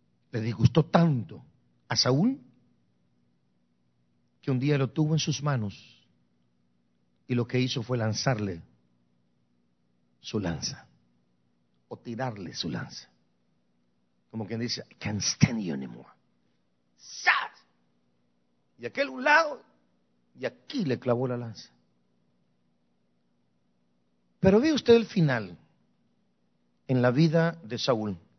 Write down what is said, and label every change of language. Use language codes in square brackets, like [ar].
[es] Le disgustó tanto a Saúl que un día lo tuvo en sus manos y lo que hizo fue lanzarle su lanza o tirarle su lanza. Como quien dice, [en] I can't stand you anymore. ¡Sas! [es] Y aquel un lado y aquí le clavó la lanza. Pero ve usted el final en la vida de Saúl.